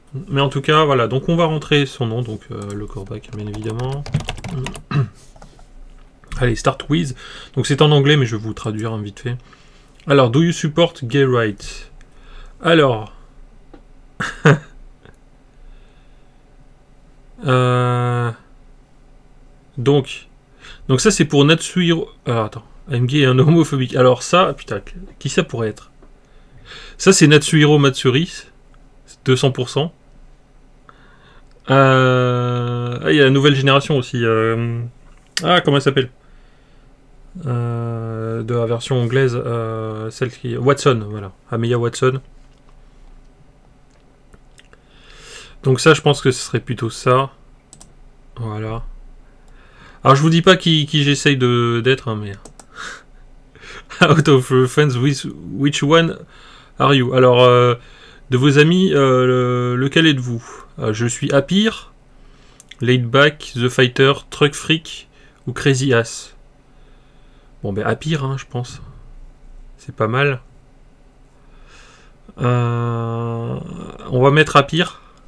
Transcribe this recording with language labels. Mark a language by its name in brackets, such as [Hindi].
[French] Mais en tout cas, voilà, donc on va rentrer son nom, donc le Korbach, bien évidemment. Allez, [English] start quiz. [French] Donc c'est en anglais, mais je vais vous traduire hein, vite fait. [English] Alors, do you support gay rights? [French] Alors. Donc ça c'est pour Natsuhiro. Alors attends, [English] I'm gay [French] et un homophobique. Alors ça, putain, qui ça pourrait être? Ça c'est Natsuhiro Matsuri, 200%. Ah, il y a la nouvelle génération aussi. Ah, comment elle s'appelle? De la version anglaise, celle qui. Watson, voilà. Ameya Watson. Donc ça, je pense que ce serait plutôt ça. Voilà. Alors je vous dis pas qui j'essaye de d'être, hein, mais. [English] Out of friends, which one are you? [French] Alors, de vos amis, lequel êtes-vous? Je suis Appear, Laidback, The Fighter, Truck Freak ou Crazy Ass? Bon, ben Appear, hein, je pense. C'est pas mal. On va mettre Appear.